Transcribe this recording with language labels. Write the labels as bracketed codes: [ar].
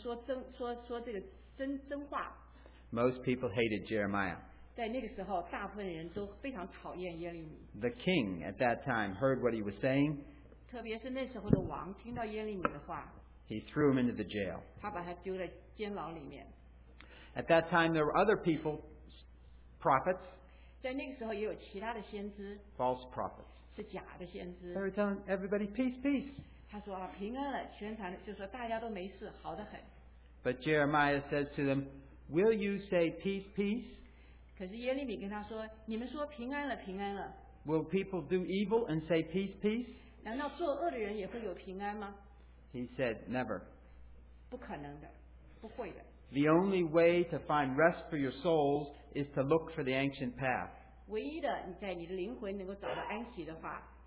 [zh] 就是耶利米向他们说这个真话。 [en] Most people hated Jeremiah. [zh] 在那个时候, 大部分人都非常讨厌耶利米。 [en] The king at that time heard what he was saying. [zh] 特别是那时候的王听到耶利米的话, [en] he threw him into the jail. [zh] 他把他丢在监牢里面。 [en] At that time there were other people, prophets. [zh] 在那个时候也有其他的先知, [en] false prophets. [zh] 是假的先知。 [en] They were telling everybody, peace, peace. [zh] 他说啊, 平安了, 全场, 就说, 大家都没事, 好得很。 [en] But Jeremiah says to them, will you say peace, peace? [zh] 可是耶利米跟他说, 你们说平安了, [en] will people do evil and say peace, peace? [zh] 难道做恶的人也会有平安吗? [en] He said, never. [zh] 不可能的, [en] the only way to find rest for your souls is to look for the ancient path. [zh] 唯一的在你的灵魂能够找到安息的话,